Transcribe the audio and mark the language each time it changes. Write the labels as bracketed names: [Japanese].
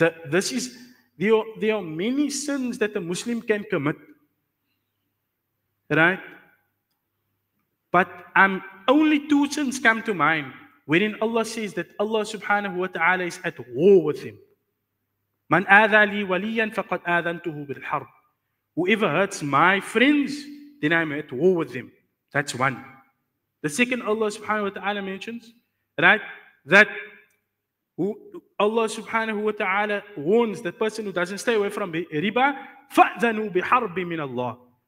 [English] There are many sins that a Muslim can commit, right? But only two sins come to mind wherein Allah says that Allah subhanahu wa ta'ala is at war with him. [Arabic] من آذى لي وليا فقد آذنته بالحرب. [English] Whoever hurts my friends, then I'm at war with them. That's one. The second Allah subhanahu wa ta'ala mentions, right, that Allah subhanahu wa ta'ala warns the person who doesn't stay away from riba, [Arabic] فَأْذَنُوا بِحَرْبِ مِنَ اللَّهِ.